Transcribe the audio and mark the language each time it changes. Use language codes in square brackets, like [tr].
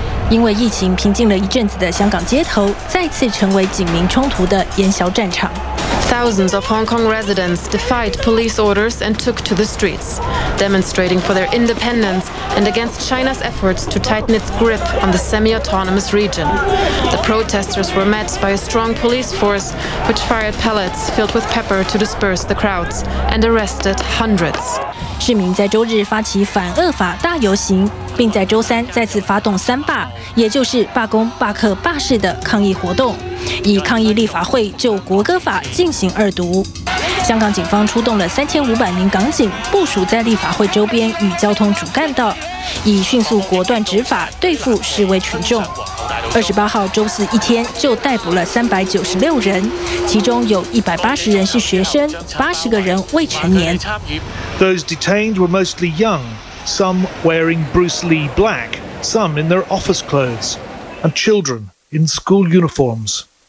[zh] 因为疫情平静了一阵子的香港街头再次成为警民冲突的烟硝战场。 [en] Thousands of Hong Kong residents defied police orders and took to the streets, demonstrating for their independence and against China's efforts to tighten its grip on the semi-autonomous region. The protesters were met by a strong police force, which fired pellets filled with pepper to disperse the crowds and arrested hundreds. [zh] 市民在周日发起反恶法大游行，并在周三再次发动三罢，也就是罢工、罢课、罢市的抗议活动，以抗议立法会就国歌法进行二读。香港警方出动了3500名港警，部署在立法会周边与交通主干道，以迅速果断执法对付示威群众。 28号周四一天就逮捕了396人，其中有180人是学生，80个人未成年。 [en] Those detained were mostly young, some wearing Bruce Lee black, some in their office clothes, and children in school uniforms.